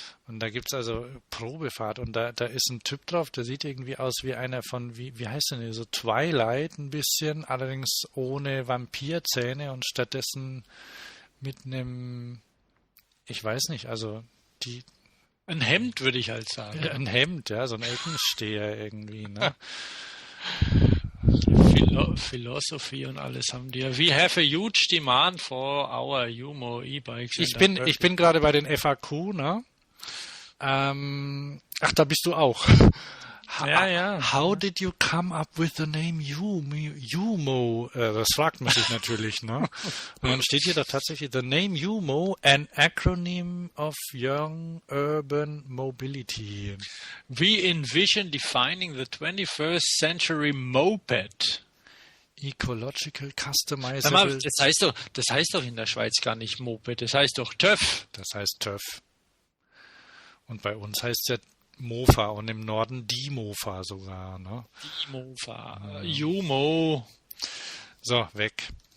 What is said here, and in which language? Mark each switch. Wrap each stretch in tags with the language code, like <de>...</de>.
<de>Und da gibt es also Probefahrt und da ist ein Typ drauf, der sieht irgendwie aus wie einer von, wie heißt denn der, so Twilight ein bisschen, allerdings ohne Vampirzähne und stattdessen mit einem, ich weiß nicht, also die... Ein Hemd, würde ich halt sagen. Ein Hemd, ja, so ein Eckensteher irgendwie, ne? Philosophy und alles haben die ja.</de> <en>We have a huge demand for our Yumo e-bikes.</en> <de>Ich bin gerade bei den FAQ, ne? Ach, da bist du auch. Ja.</de> <en>How did you come up with the name Yumo?</en> <de>Das fragt man sich natürlich, ne? Und dann steht hier doch tatsächlich,</de> <en>the name Yumo, an acronym of Young Urban Mobility. We envision defining the 21st century moped. Ecological customizable.</en> <de>Das heißt doch in der Schweiz gar nicht Moped, das heißt doch TÜV. Das heißt TÜV. Und bei uns heißt es ja Mofa und im Norden die Mofa sogar. Ne? Die Mofa. Yumo. So, weg.</de>